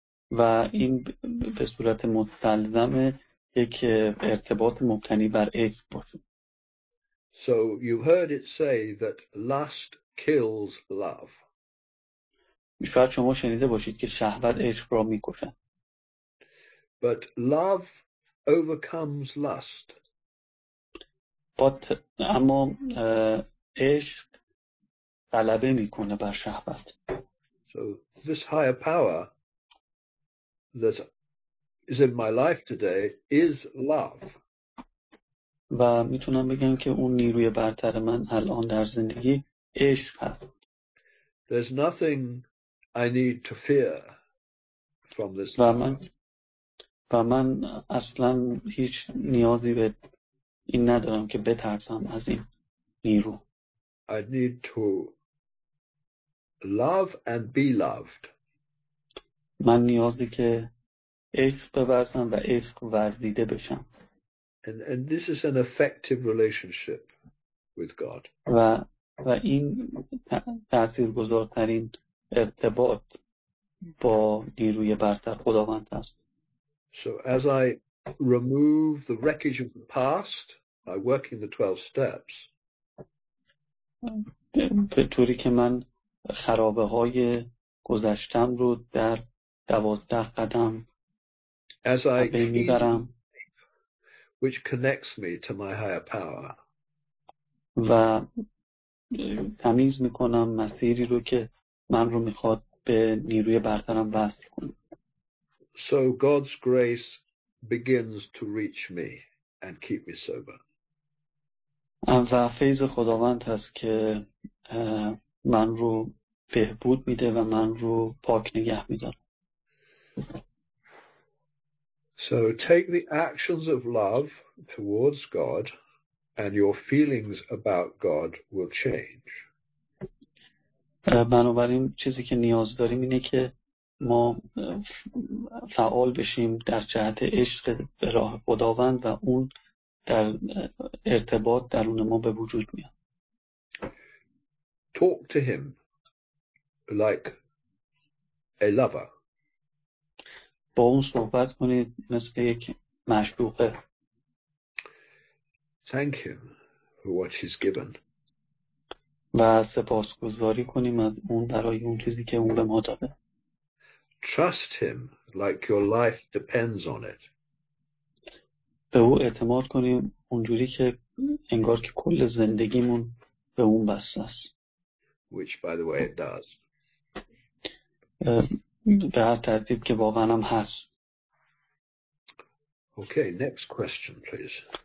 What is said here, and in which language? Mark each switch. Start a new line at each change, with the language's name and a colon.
Persian: و این به صورت مستلزم یک ارتباط مبتنی بر عشق باشه.
English: So you heard it say that lust kills love.
Persian: شاید شما شنیده باشید که شهوت عشق را میکشد.
English: But love overcomes lust.
Persian: اما عشق غلبه میکنه بر شهوت.
English: So this higher power that is in my life today is love.
Persian: و میتونم بگم که اون نیروی برتر من الان در زندگی عشق هست.
English: There's nothing I need to fear from this.
Persian: و من اصلا هیچ نیازی به این ندارم که بترسم از این نیرو.
English: I need to love and be loved.
Persian: من نیازی که عشق ببرسم و عشق ورزیده بشم.
English: And this is an effective relationship with God.
Persian: و این تاثیرگذارترین ارتباط با نیروی برتر خداوند است.
English: So as I remove the wreckage of the past by working the 12 steps.
Persian: به طوری که من خرابه های گذشتم رو در 12 قدم از بین میبرم.
English: Which connects me to my higher power.
Persian: و تمیز میکنم مسیری رو که من رو میخواد به نیروی برترم وصل کنم.
English: So God's grace begins to reach me and keep me sober.
Persian: و فیض خداوند هست که من رو بهبود میده و من رو پاک نگه میداره.
English: So take the actions of love towards God and your feelings about God will change.
Persian: بنابراین چیزی که نیاز داریم اینه که ما فعال بشیم در جهت عشق به راه خداوند و اون در ارتباط درون ما به وجود میاد.
English: Talk to him like a lover.
Persian: با اون صحبت کنید مثل یک معشوق.
English: Thank him for what he's given.
Persian: و سپاسگزاری کنیم از اون برای اون چیزی که اون به ما داده.
English: Trust him like your life depends on it.
Persian: به او اعتماد کنیم اونجوری که انگار که کل زندگیمون به اون بسته است.
English: which by the way it does.
Persian: به هر ترتیب که واقعا هم هست.
English: Okay, next question please.